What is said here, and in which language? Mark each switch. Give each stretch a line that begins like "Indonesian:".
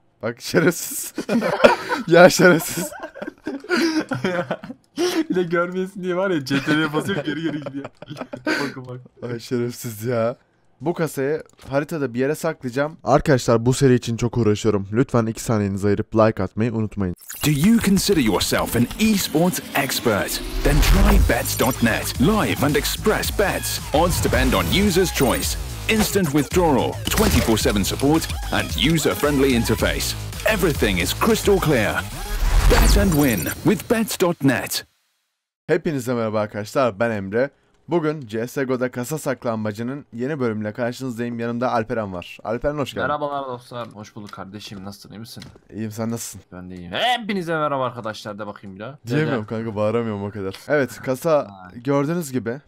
Turkish: Bak şerefsiz. Ya şerefsiz. Bir de görmesin diye var ya, CTRL'ye basıyor, geri geri gidiyor. Bakın Ay şerefsiz ya. Bu kasayı haritada bir yere saklayacağım. Arkadaşlar bu seri için çok uğraşıyorum. Lütfen 2 saniyenizi ayırıp like atmayı unutmayın.
English: Do you consider yourself an e-sports expert? Then try bets.net. Live and express bets. Odds depend on user's choice. Instant withdrawal, 24/7 support and user-friendly interface. Everything is crystal clear. Bet and win with bets.net.
Turkish: Hepinize merhaba arkadaşlar, ben Emre. Bugün CSGO'da kasa saklanmacının yeni bölümüyle karşınızdayım. Yanımda Alperen var. Alperen hoş geldin. Merhabalar dostlar. Hoş bulduk kardeşim. Nasılsın? İyi misin? İyiyim, sen nasılsın? Ben de iyiyim. Hepinize merhaba arkadaşlar. De bakayım bir daha. Diyemiyorum kanka, bağıramıyorum o kadar. Evet, kasa gördüğünüz gibi.